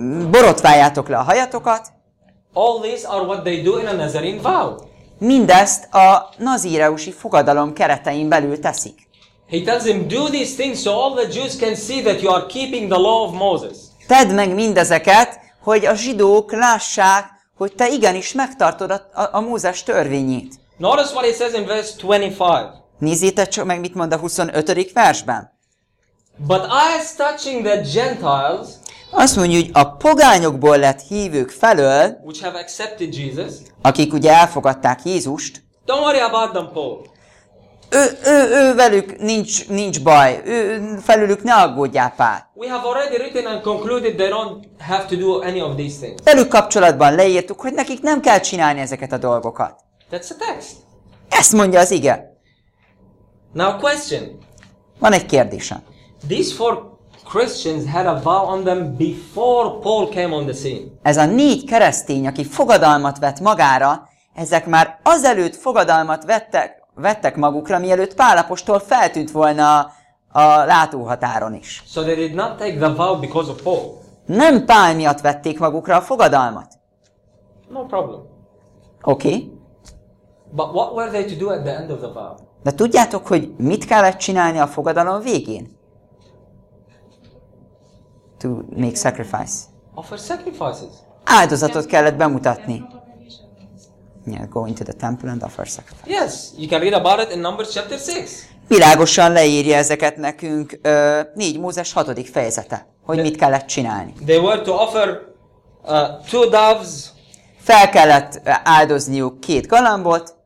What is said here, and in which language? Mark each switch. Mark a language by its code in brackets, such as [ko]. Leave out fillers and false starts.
[hu] Borotváljátok le a hajatokat. [en] All these are what they do in a Nazarene vow. [hu] Mindezt a nazireusi fogadalom keretein belül teszik. [en] He tells them, do these things so all the Jews can see that you are keeping the law of Moses. [hu] Tedd meg mindezeket, hogy a zsidók lássák, hogy te igenis megtartod a Mózes törvényét. [en] Notice what he says in verse 25. [hu] Nézzétek csak meg, mit mond a 25. versben. [en] But as touching the Gentiles, [hu] azt mondja, hogy a pogányokból lett hívők felől, [en] which have accepted Jesus, [hu] akik ugye elfogadták Jézust, [en] don't worry about them, Paul. [hu] Ő velük nincs baj. Ő felülük ne aggódjál, Pál. [en] We have already written and concluded they don't have to do any of these things. [hu] Velük kapcsolatban leírtuk, hogy nekik nem kell csinálni ezeket a dolgokat. [en] That's the text. [hu] Ezt mondja az ige. [en] Now question. [hu] Van egy kérdésem. [en] These 4 Christians had a vow on them before Paul came on the scene. [hu] Ez a 4 keresztény, aki fogadalmat vett magára, ezek már azelőtt fogadalmat vettek magukra, mielőtt Pál apostol feltűnt volna a látóhatáron is. [en] So they did not take the vow because of Paul. [hu] Nem Pál miatt vették magukra a fogadalmat. [en] No problem. Okay. But what were they to do at the end of the vow? [hu] De tudjátok, hogy mit kellett csinálni a fogadalom végén? [en] To make sacrifice. Offer sacrifices. [hu] Áldozatot kellett bemutatni. [en] Yeah, go into the temple and offer sacrifice. Yes, you can read about it in Numbers chapter 6. [hu] Világosan leírja ezeket nekünk 4 Mózes 6. fejezete, hogy mit kellett csinálni. [en] They were to offer 2 doves. [hu] Fel kellett áldozniuk 2 galambot.